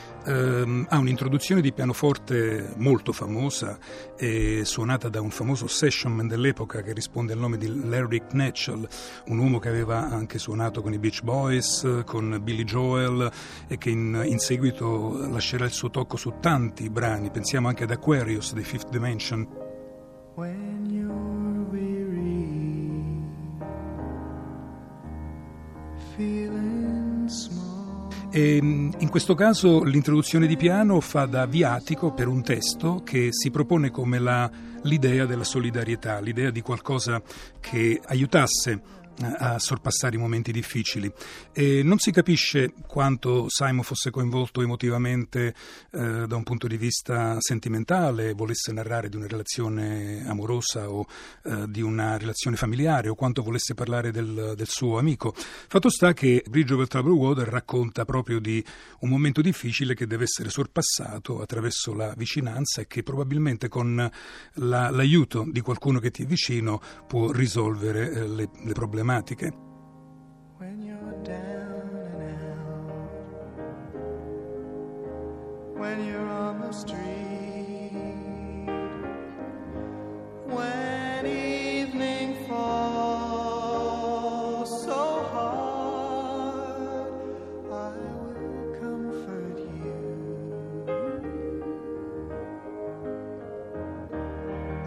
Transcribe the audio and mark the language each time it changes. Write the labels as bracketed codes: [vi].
[it] ha un'introduzione di pianoforte molto famosa e suonata da un famoso session man dell'epoca che risponde al nome di Larry Knechel, un uomo che aveva anche suonato con i Beach Boys, con Billy Joel e che in seguito lascerà il suo tocco su tanti brani, pensiamo anche ad Aquarius dei Fifth Dimension. [en] When you're weary, feeling small. [it] E in questo caso l'introduzione di piano fa da viatico per un testo che si propone come l'idea della solidarietà, l'idea di qualcosa che aiutasse a sorpassare i momenti difficili. E non si capisce quanto Simon fosse coinvolto emotivamente da un punto di vista sentimentale, volesse narrare di una relazione amorosa o di una relazione familiare o quanto volesse parlare del suo amico. Fatto sta che Bridge Over Troubled Water racconta proprio di un momento difficile che deve essere sorpassato attraverso la vicinanza e che probabilmente con l'aiuto di qualcuno che ti è vicino può risolvere le problematiche. [en] When you're down and out, when you're on the street, when evening falls so hard, I will comfort you.